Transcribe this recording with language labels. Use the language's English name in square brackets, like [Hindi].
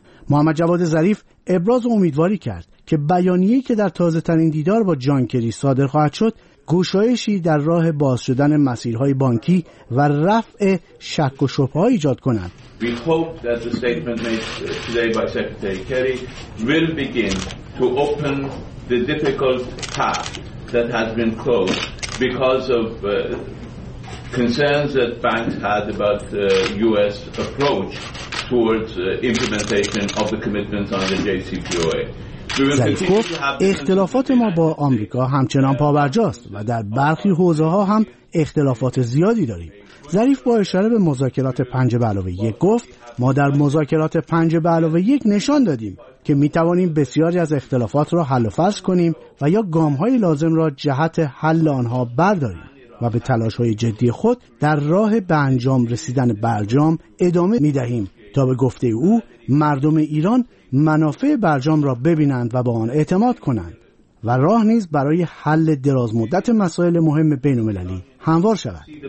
[Persian] محمد جواد ظریف ابراز امیدواری کرد که بیانیه‌ای که در تازه‌ترین دیدار با جان کری صادر خواهد شد گشایشی در راه باز شدن مسیرهای بانکی و رفع شک و شبهه ها ایجاد کنند. [English] We hope that the statement made today by Secretary Kerry will begin to open the difficult path that has been closed because of concerns that banks had about US approach towards implementation of the commitments on the JCPOA. [Persian] ظریف گفت اختلافات ما با آمریکا همچنان پابرجاست و در برخی حوزه‌ها هم اختلافات زیادی داریم. ظریف با اشاره به مذاکرات 5+1 گفت ما در مذاکرات 5+1 نشان دادیم که میتوانیم بسیاری از اختلافات را حل و فصل کنیم و یا گام‌های لازم را جهت حل آنها برداریم و به تلاش‌های جدی خود در راه به انجام رسیدن برجام ادامه می‌دهیم تا به گفته او مردم ایران منافع برجام را ببینند و به آن اعتماد کنند و راه نیز برای حل درازمدت مسائل مهم بین المللی هموار شود.